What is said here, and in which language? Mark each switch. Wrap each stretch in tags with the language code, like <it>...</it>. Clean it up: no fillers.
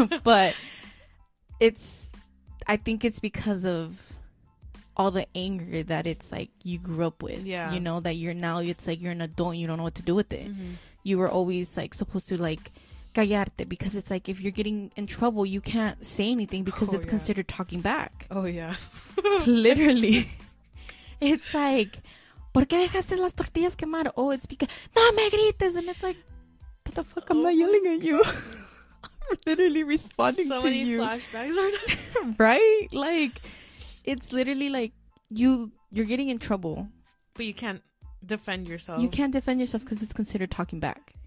<en>But I think it's because of all the anger that it's, like, you grew up with. Yeah. You know, that you're now, it's, like, you're an adult and you don't know what to do with it. Mm-hmm. You were always, like, supposed to, like,</en> <es>callarte,</es> <en>because it's, like, if you're getting in trouble, you can't say anything because it's considered talking back. Oh, yeah. Literally. It's, like,</en> <es>¿por qué dejaste las tortillas quemar?</es> <en>Oh, it's because,</en> <es>¡no me grites!</es> <en>And it's, like, what the fuck? I'm not yelling at you. I'm literally responding to you. So many flashbacks are not... Right? Like, it's literally, like, you're getting in trouble. But you can't. Defend yourself. You can't defend yourself because it's considered talking back.</en>